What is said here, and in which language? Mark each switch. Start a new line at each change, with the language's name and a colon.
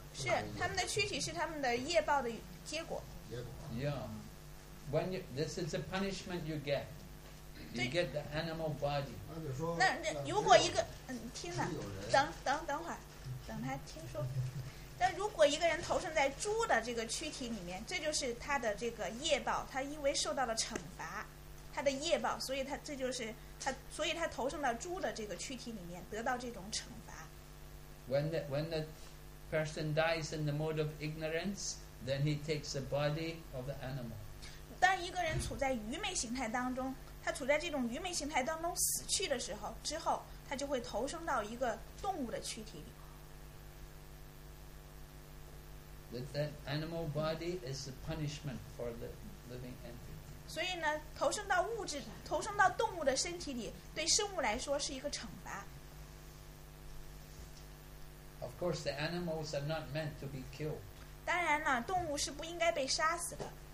Chinese: 是，他们的躯体是他们的业报的结果。
English: Yeah. When you, this is a punishment you get. You get the animal body.
Chinese: 那如果一个，听了，等会儿，等他听说。但如果一个人投身在猪的这个躯体里面，这就是他的这个业报。他因为受到了惩罚，他的业报，所以他这就是他，所以他投身到猪的这个躯体里面，得到这种惩罚。
English: When the person dies in the mode of ignorance, then he takes the body of the animal.
Chinese: 当一个人处在愚昧形态当中，他处在这种愚昧形态当中死去的时候，之后他就会投身到一个动物的躯体里。
English: That animal body is a punishment for the living entity.
Chinese: 所以呢，投生到物质，投生到动物的身体里，对生物来说是一个惩罚。
English: Of course, the animals are not meant to be killed.
Chinese: 当然了，动物是不应该被杀死的。